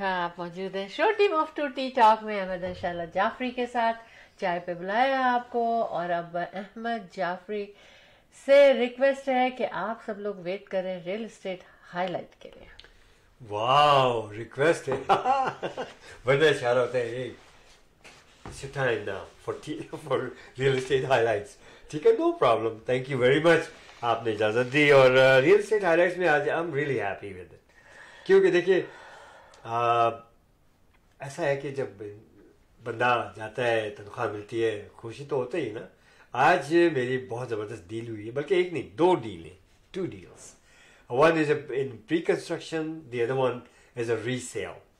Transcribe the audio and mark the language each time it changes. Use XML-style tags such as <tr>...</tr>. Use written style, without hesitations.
<hi>आप मौजूद हैं show team of to T talk में अहमद और शहला जाफरी के साथ। चाय पे बुलाया आपको और अब अहमद जाफरी से रिक्वेस्ट है कि आप सब लोग वेट करें रियल एस्टेट हाईलाइट के लिए। वाओ, रिक्वेस्ट है, बड़े शहर होते हैं।</hi> <en>Sit down now for real estate highlights.</en> <hi>ठीक है,</hi> <en>no problem. Thank you very much.</en> <hi>आपने इजाजत दी और real estate highlights में आज</hi> <en>I'm really happy with it.</en> <hi>क्योंकि देखिए ऐसा है कि जब बंदा जाता है, तनख्वाह मिलती है, खुशी तो होता ही ना। आज मेरी बहुत जबरदस्त डील हुई है, बल्कि एक नहीं, दो डील है, to deals.</hi> <en>One is in pre construction, the other one is a resale.</en>